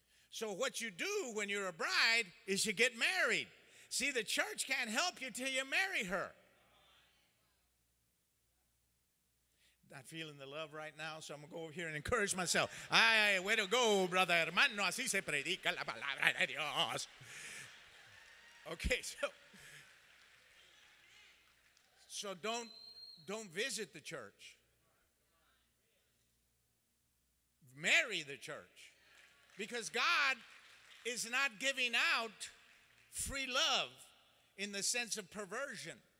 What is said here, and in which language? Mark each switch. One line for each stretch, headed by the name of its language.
English: So what you do when you're a bride is you get married. See, the church can't help you till you marry her. Not feeling the love right now, so I'm going to go over here and encourage myself. Ay, way to go, brother hermano.
Spanish: Así se predica la palabra de Dios.
English: Okay, so don't visit the church. Marry the church. Because God is not giving out free love in the sense of perversion.